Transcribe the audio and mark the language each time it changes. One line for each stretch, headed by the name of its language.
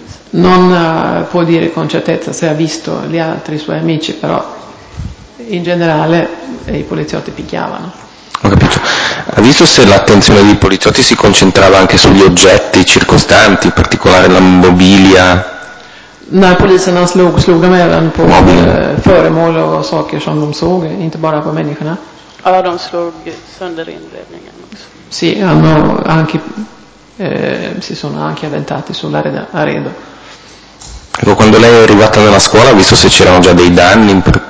Italian: Non può dire con certezza se ha visto gli altri suoi amici, però in generale i poliziotti picchiavano. Ho capito. Ha visto se l'attenzione dei poliziotti si concentrava anche sugli oggetti circostanti, in particolare la mobilia?
Swedish: När poliserna slog de även på föremål och saker som de såg, inte bara på människorna. Ja, de slog sönder inredningen också.
Italian: Sì, hanno anche si sono anche avventati sull'arredo. Ecco, quando lei è arrivata nella scuola, ha visto se c'erano già dei danni.